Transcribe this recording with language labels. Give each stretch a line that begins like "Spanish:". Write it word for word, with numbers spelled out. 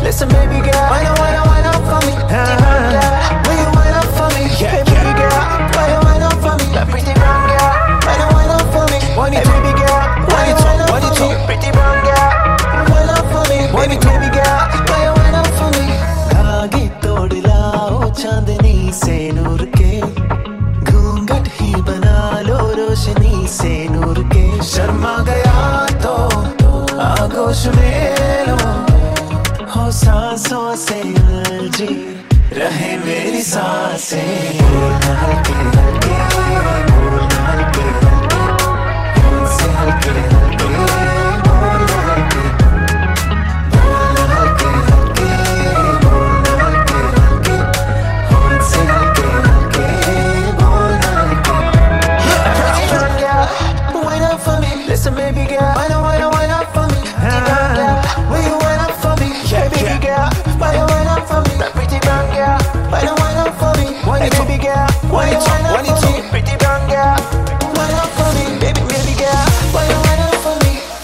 English: Listen baby girl, wine up, wine up, wine up for me. Pretty brown girl, will you wine up for me? Hey baby girl, wine up, wine up for me. That pretty brown girl, wine up, wine up for me. Hey baby girl, wine up, wine up for me. Pretty brown girl, wine up for me. Baby, baby girl, wine up, wine up for me.
Hindi: धागे तोड़ लाओ चांदनी से नूर के, घूंघट ही बना लो रोशनी से नूर के। शर्मा गया तो आगोश में लो, हो सांसों से उलझी रहे मेरी सांसें। बोलना हल्के हल्के, बोलना हल्के हल्के, मुझसे हल्के हल्के, बोलना हल्के, बोलना हल्के हल्के, बोलना हल्के हल्के, मुझसे हल्के हल्के, बोलना हल्के।
English: Pretty brown girl, wine up for me. Listen baby girl, wine up, wine up, wine up for me. Pretty brown girl, will you wine up for me? Hey baby girl, why you wine up for me? That pretty brown girl, why you wine up for me? Hey baby girl, why you wine up for me? Pretty brown girl, wine up for me? Baby, baby girl, why you wine up for me?